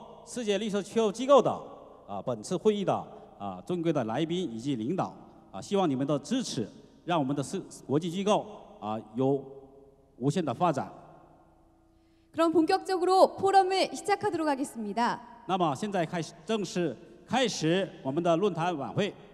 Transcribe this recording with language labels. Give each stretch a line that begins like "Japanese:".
Chinese: 希望大家参加本次第首届国际机构世界绿色气候机构的本次会议的。尊贵的来宾以及领导，希望你们的支持，让我们的国际机构有无限的发展。
Korean: 그럼 본격적으로 포럼을 시작하도록 하겠습니다.
Chinese: 那么现在开始正式开始我们的论坛晚会。